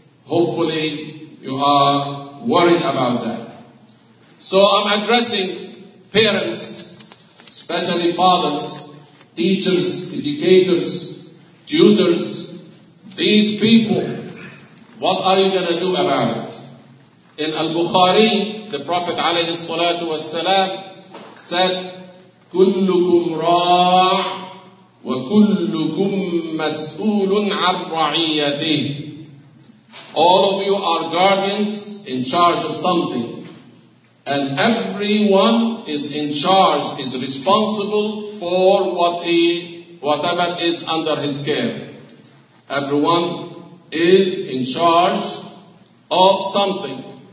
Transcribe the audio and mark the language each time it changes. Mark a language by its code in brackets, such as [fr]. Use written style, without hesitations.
[en] Hopefully, you are worried about that. So I'm addressing parents, especially fathers, teachers, educators, tutors, these people What are you going to do about it? In Al-Bukhari, the Prophet [ar] عليه الصلاة والسلام [en] said, [ar] كلكم راع وكلكم مسؤول عن رعيته. [en] All of you are guardians in charge of something. And everyone is in charge, is responsible for whatever is under his care. Everyone is in charge of something.